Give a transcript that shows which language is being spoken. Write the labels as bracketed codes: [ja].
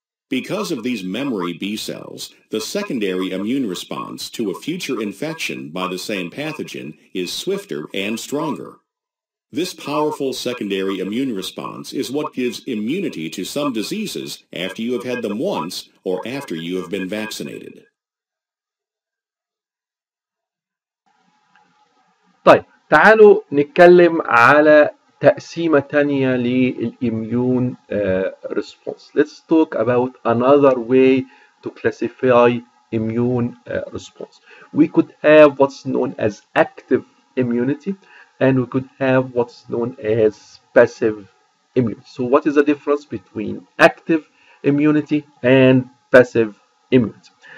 [en] Because of these memory B cells, the secondary immune response to a future infection by the same pathogen is swifter and stronger. This powerful secondary immune response is what gives immunity to some diseases after you have had them once or after you have been vaccinated. [ar] طيب تعالوا نتكلم على تقسيمة تانية للإميون response. [en] Let's talk about another way to classify immune response. We could have what's known as active immunity and we could have what's known as passive immunity. So what is the difference between active immunity and passive immunity?